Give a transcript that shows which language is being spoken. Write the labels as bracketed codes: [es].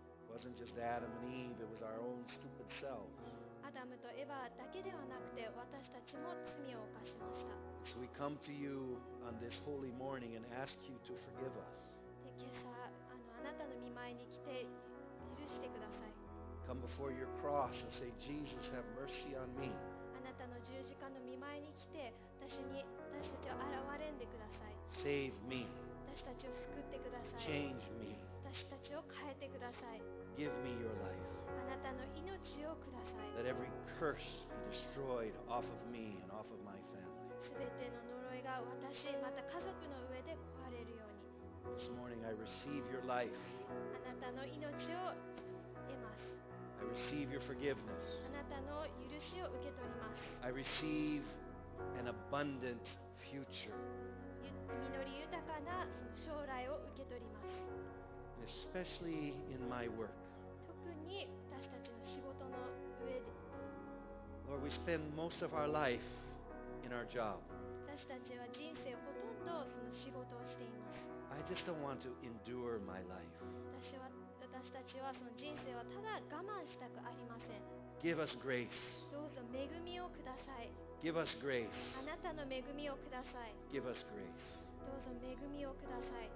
[en] wasn't just Adam and Eve, it was our own stupid selves. [ja] アダムとエヴァだけではなくて私たちも罪を犯しました。 [en] So we come to you on this holy morning and ask you to forgive us. [ja] 今朝あなたの御前に来て許してください。 [en] Come before your cross and say, Jesus, have mercy on me. [ja] あなたの十字架の御前に来て私たちを憐れんでください。 [en] Save me. [ja] 私たちを救ってください。 [en] Change me. [ja] 私たちを変えてください。 [en] Give me your life. [ja] あなたの命をください。 [en] Let every curse be destroyed off of me and off of my family. [ja] すべての呪いが私また家族の上で壊れるように。 [en] This morning I receive your life. [ja] あなたの命を得ます。 [en] I receive your forgiveness. [ja] あなたの許しを受け取ります。 [en] I receive an abundant future. [ja] 実り豊かな将来を受け取ります。 [en] Especially in my work. [ja] 特に私たちの仕事の上で。 [en] Lord, we spend most of our life in our job. [ja] 私たちは人生ほとんどその仕事をしています。 [en] I just don't want to endure my life. [ja] 私たちはその人生はただ我慢したくありません。 [en] Give us grace. [ja] どうぞ恵みをください。 [en] Give us grace. [ja] あなたの恵みをください。 [en] Give us grace. [ja] どうぞ恵みをください。